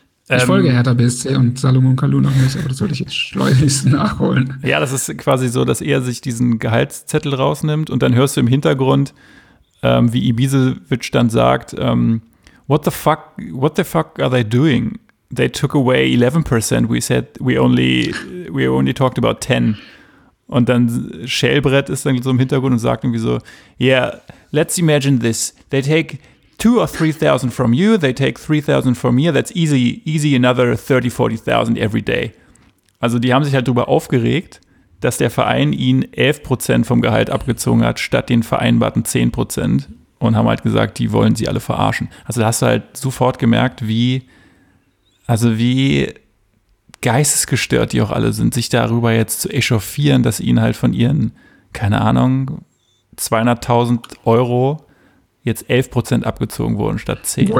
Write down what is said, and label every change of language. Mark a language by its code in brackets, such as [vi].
[de] Ich folge Hertha BSC und Salomon Kalou noch nicht, aber das sollte ich jetzt schleunigst nachholen. Ja, das ist quasi so, dass er sich diesen Gehaltszettel rausnimmt und dann hörst du im Hintergrund, wie Ibisevic dann sagt, [en] what the fuck are they doing? They took away 11%. We said we only talked about 10. [de] Und dann Schellbrett ist dann so im Hintergrund und sagt irgendwie so, [en] yeah, let's imagine this. They take 2,000 or 3,000 from you. They take 3,000 from me. That's easy another 30,000-40,000 every day. [de] Also die haben sich halt darüber aufgeregt, dass der Verein ihnen 11% vom Gehalt abgezogen hat, statt den vereinbarten 10%. Und haben halt gesagt, die wollen sie alle verarschen. Also da hast du halt sofort gemerkt, wie geistesgestört die auch alle sind, sich darüber jetzt zu echauffieren, dass ihnen halt von ihren, keine Ahnung, 200.000 Euro jetzt 11% abgezogen wurden statt 10.